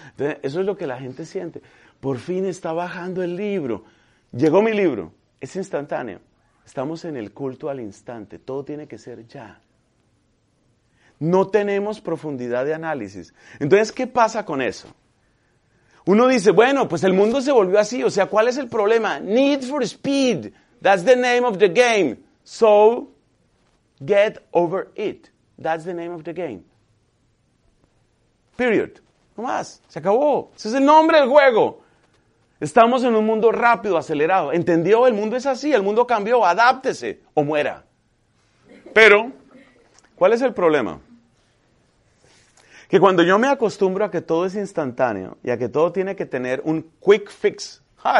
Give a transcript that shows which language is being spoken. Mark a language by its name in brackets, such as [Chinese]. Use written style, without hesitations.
[Spanish] Entonces, eso es lo que la gente siente. Por fin está bajando el libro. Llegó mi libro. Es instantáneo. Estamos en el culto al instante. Todo tiene que ser ya. No tenemos profundidad de análisis. Entonces, ¿qué pasa con eso? Uno dice, bueno, pues el mundo se volvió así. O sea, ¿cuál es el problema? [English] Need for speed. That's the name of the game. So, get over it. That's the name of the game. [Spanish] Period. No más. Se acabó. Ese es el nombre del juego. Estamos en un mundo rápido, acelerado. ¿Entendió? El mundo es así. El mundo cambió. Adáptese o muera. Pero, ¿cuál es el problema? Que cuando yo me acostumbro a que todo es instantáneo y a que todo tiene que tener un quick fix. ¡Ah!